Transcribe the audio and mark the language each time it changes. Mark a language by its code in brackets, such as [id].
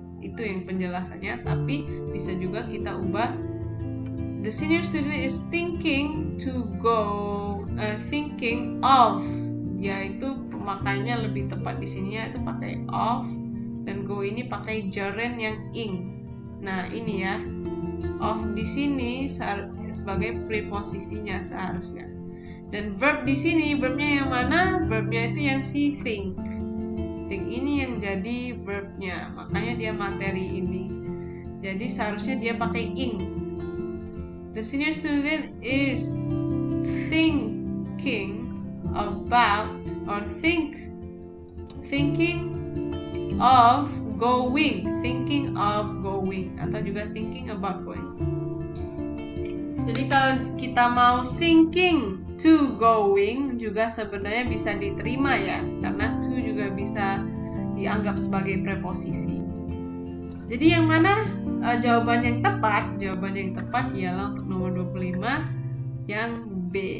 [id] Itu yang penjelasannya, tapi bisa juga kita ubah [en] the senior student is thinking to go thinking of, [id] yaitu pemakaiannya lebih tepat di sini ya, itu pakai of dan go ini pakai gerund yang ing. Nah, ini ya. Of di sini sebagai preposisinya seharusnya. Dan verb di sini, verbnya yang mana? Verbnya itu yang si think. Think ini yang jadi verbnya, makanya dia materi ini. Jadi seharusnya dia pakai ing. [en] The senior student is thinking about or thinking of going, thinking of going, [id] atau juga [en] thinking about going. [id] Jadi kalau kita mau [en] thinking to going [id] juga sebenarnya bisa diterima ya, karena to juga bisa dianggap sebagai preposisi. Jadi yang mana jawaban yang tepat? Jawaban yang tepat ialah untuk nomor 25 yang B.